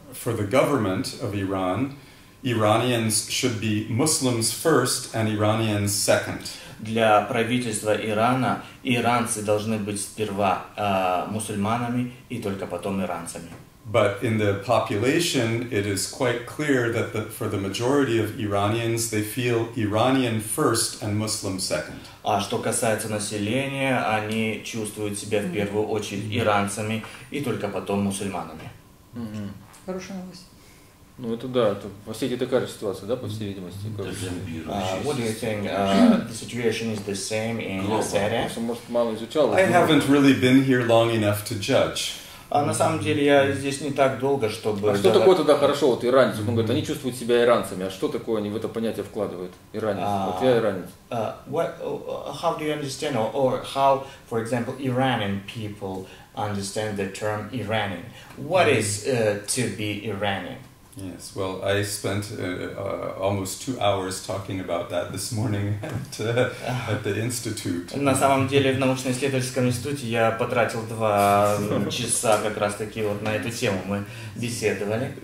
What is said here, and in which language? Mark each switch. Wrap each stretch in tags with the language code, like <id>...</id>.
<en>For the government of Iran, Iranians should be Muslims first and Iranians second.</en> <ru>Для правительства Ирана иранцы должны быть сперва мусульманами и только потом иранцами.</ru> <en>But in the population, it is quite clear that for the majority of Iranians, they feel Iranian first and Muslim second.</en> <ru>А что касается населения, они чувствуют себя в первую очередь иранцами и только потом мусульманами. Mm-hmm. Хорошая новость. Ну это да, это во всей такая же ситуация, да, по всей видимости.</ru> <en>What do you think? The situation is the same in Syria.</en> <ru>Может, мало изучал.</ru> <en>I haven't really been here long enough to judge.</en> <ru>А на самом деле я здесь не так долго, чтобы... А что такое тогда хорошо, вот иранец? Он говорит, они чувствуют себя иранцами. А что такое они в это понятие вкладывают? Иранец. Вот я иранец.</ru> <en>How do you understand, or how, for example, Iranian people understand the term Iranian? What is to be Iranian? Yes, well, I spent almost 2 hours talking about that this morning at the institute.</en> <ru>На самом деле, в научно-исследовательском институте я потратил 2 часа как раз таки вот на эту тему мы беседовали.</ru>